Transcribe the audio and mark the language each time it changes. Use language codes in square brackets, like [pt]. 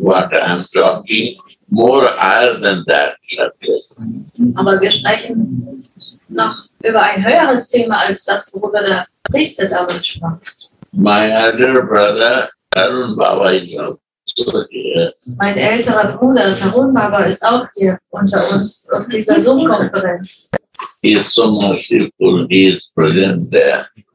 [en] What I am talking more higher than that. [de] Aber wir sprechen noch über ein höheres Thema als das, worüber der Priester damals sprach. [en] My elder brother, Arun Baba, is also here. [de] Mein älterer Bruder, Tarun Baba, ist auch hier unter uns auf dieser Zoom-Konferenz. [en] He is so merciful, he is present there.